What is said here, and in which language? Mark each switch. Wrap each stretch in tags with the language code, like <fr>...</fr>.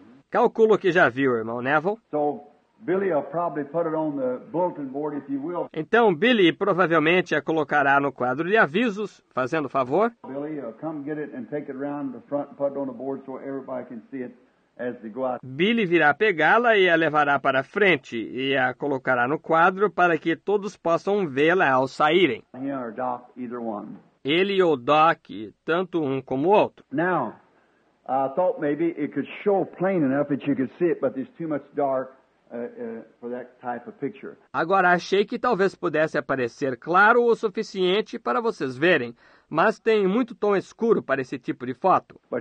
<pt>Calculo que já viu, irmão Neville.</pt> <en>Billy will probably put it on the bulletin board if you will.</en> <pt>Então Billy provavelmente a colocará no quadro de avisos, fazendo favor.</pt> <en>Billy, come get it and take it around the front and put it on the board so everybody can see it as they go out.</en> <pt>Billy virá pegá-la e a levará para frente e a colocará no quadro para que todos possam vê-la ao saírem.</pt> <en>He or Doc, either one.</en> <pt>Ele ou Doc, tanto um como o outro.</pt> <en>Now, I thought maybe it could show plain enough that you could see it, but there's too much dark. For that type of picture.</en> <pt>Agora, achei que talvez pudesse aparecer claro o suficiente para vocês verem, mas tem muito tom escuro para esse tipo de foto.</pt>